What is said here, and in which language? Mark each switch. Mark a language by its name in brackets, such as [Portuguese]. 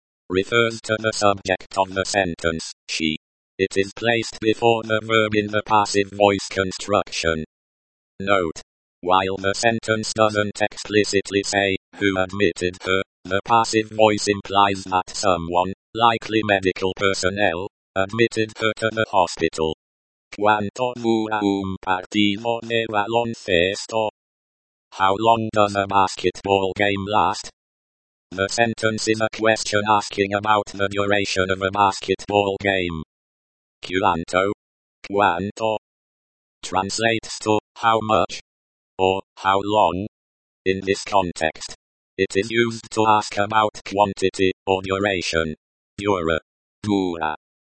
[English] Refers to the subject of the sentence, she. It is placed before the verb in the passive voice construction. Note. While the sentence doesn't explicitly say, who admitted her, the passive voice implies that someone, likely medical personnel, admitted her to the hospital. [Spanish] ¿Cuánto dura un partido de baloncesto? [English] How long does a basketball game last? The sentence is a question asking about the duration of a basketball game. ¿Cuánto? ¿Cuánto? Translates to, how much? Or, how long? In this context, it is used to ask about quantity, or duration. Dura. Dura.